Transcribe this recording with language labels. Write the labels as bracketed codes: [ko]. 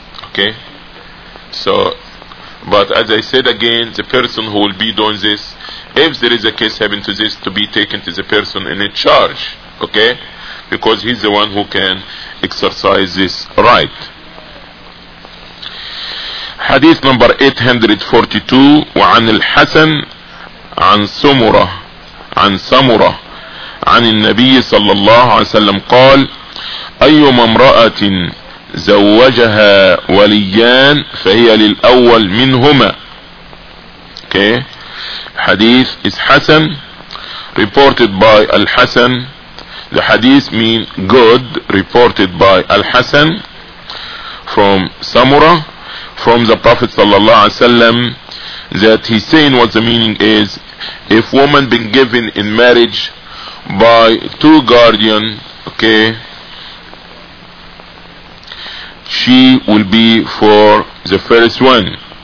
[en] Okay, so but as I said again, the person who will be doing this, if there is a case having to this, to be taken to the person in a charge. Okay, because he's the one who can exercise this right. Hadith number 842, [ar] وعن الحسن عن سمرة عن سمرة عن النبي صلى الله عليه وسلم قال أيما امرأة زوجها وليان فهي للأول منهما. [en] Okay, hadith is Hassan, reported by Al-Hassan. The hadith mean good, reported by Al-Hassan from Samura, from the Prophet sallallahu alaihi wasallam, that he's saying what the meaning is, if woman been given in marriage by two guardian, okay, she will be for the first one.